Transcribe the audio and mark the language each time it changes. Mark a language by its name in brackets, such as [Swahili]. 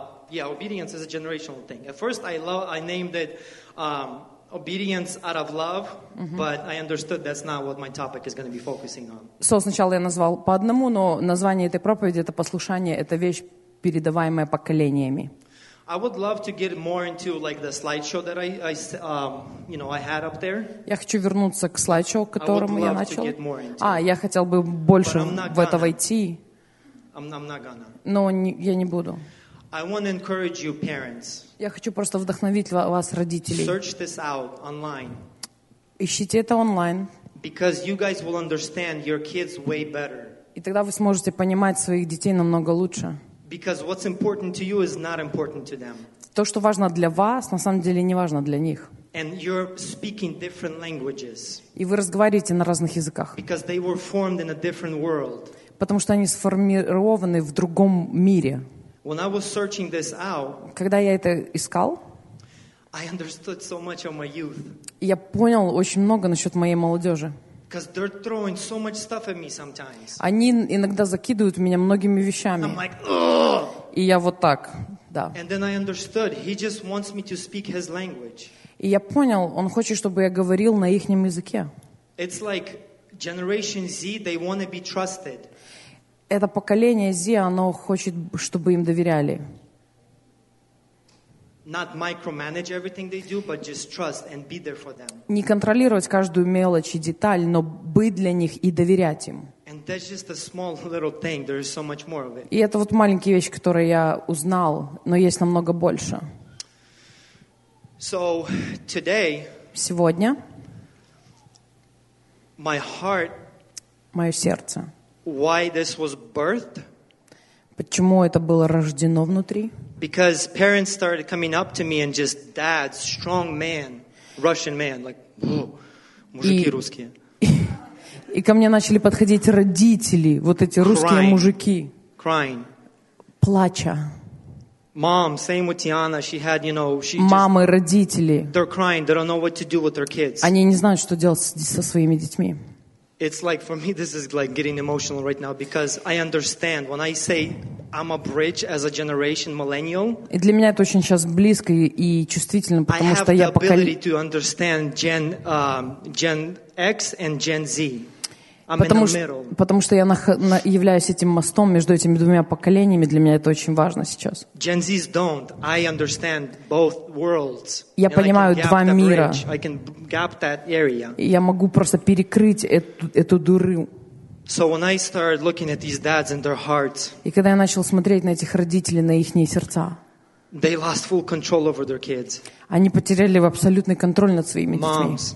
[English] Obedience is a generational thing. At first I named it obedience out of love, mm-hmm. but I understood that's not what my topic is going to be focusing on. [Russian] So, сначала я назвал по одному, но название этой проповеди — это послушание, это вещь, передаваемая поколениями. [English] I would love to get more into like the slideshow that I had up there. [Russian] Я хочу вернуться к слайдшоу, которым я начал. [English] I would love to get more into. [Russian] А, я хотел бы больше в это войти. [English] I'm not gonna. [Russian] Но я не буду. [English] I want to encourage you, parents. [Russian] Я хочу просто вдохновить вас, родителей. [English] Search this out online. [Russian] Ищите это онлайн. [English] Because you guys will understand your kids way better. [Russian] И тогда вы сможете понимать своих детей намного лучше. [English] Because what's important to you is not important to them. [Russian] То, что важно для вас, на самом деле не важно для них. [English] And you're speaking different languages. [Russian] И вы разговариваете на разных языках. [English] Because they were formed in a different world. [Russian] Потому что они сформированы в другом мире. [English] When I was searching this out, [Russian] когда я это искал, [English] I understood so much of my youth. [Russian] Я понял очень много насчет моей молодежи. [English] Because they're throwing so much stuff at me sometimes. [Russian] Они иногда закидывают меня многими вещами. [English] I'm like, ugh! [Russian] И я вот так, да. [English] And then I understood, he just wants me to speak his language. [Russian] И я понял, он хочет, чтобы я говорил на ихнем языке. [English] It's like Generation Z, they want to be trusted. [Russian] Это поколение Z, оно хочет, чтобы им доверяли. [English] Not micromanage everything they do, but just trust and be there for them. [Russian] Не контролировать каждую мелочь и деталь, но быть для них и доверять им. [English] And that's just a small little thing. There is so much more of it. [Russian] И это вот маленькие вещи, которые я узнал, но есть намного больше. [English] So today, [Russian] сегодня, [English] my heart, [Russian] мое сердце. [English] Why this was birthed? [Russian] Почему это было рождено внутри? [English] Because parents started coming up to me and just, "Dad, strong man, Russian man, like, [Russian] мужики русские." И ко мне начали подходить родители, вот эти русские мужики. [English] Crying. [Russian] Плача. [English] Mom, same with Tiana, she had, you know, she. [Russian] Мамы, родители. [English] They're crying. They don't know what to do with their kids. [Russian] Они не знают, что делать со своими детьми. [English] It's like for me, this is like getting emotional right now because I understand when I say I'm a bridge as a generation millennial. [Russian] И для меня это очень сейчас близко и чувствительно, потому что я поколение. [English] I have the ability to understand Gen X and Gen Z. I'm in the middle. [Russian] Потому что я являюсь этим мостом между этими двумя поколениями. Для меня это очень важно сейчас. [English] Gen Zs don't. I understand both worlds. [Russian] Я понимаю два мира. [English] I can gap that area. [Russian] Я могу просто перекрыть эту дыру. [English] So when I started looking at these dads and their hearts, [Russian] и когда я начал смотреть на этих родителей, на их сердца, [English] they lost full control over their kids. [Russian] Они потеряли абсолютный контроль над своими детьми.